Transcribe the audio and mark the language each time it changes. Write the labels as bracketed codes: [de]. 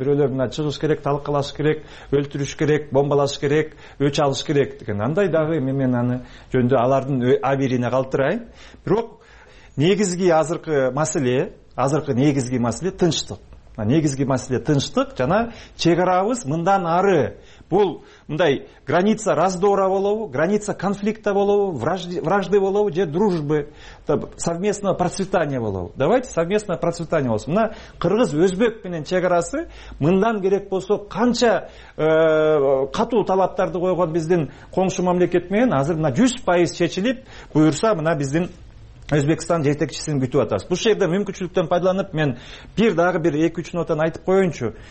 [ky] Бирөөлөр мына чыгыш керек, талкалаш керек, өлтүрүш керек, бомбалаш керек, өч алыш керек деген. Андай дагы мен аны жөндө алардын абийирине калтырайын. Бирок негизги азыркы маселе, тынчтык. Негизги маселе тынчтык жана чек арабыз мындан ары. Бул мындай [ru] граница раздора [ky] болобу, [ru] граница конфликта [ky] болобу, [ru] вражды [ky] болобу же [ru] дружбы, совместного процветания [ky] болобу. [ru] Давайте совместное процветание [ky] болсун. Мына кыргыз өзбек менен чек арасы мындан керек болсо канча катуу талаптарды койгон биздин коңшу мамлекет менен азыр мына 100% чечилип буюрса мына биздин Өзбекстан жетекчисин күтүп атабыз. Бул жерде мүмкүнчүлүктөн пайдаланып мен бир дагы бир 2-3 нотаны айтып коеюнчу.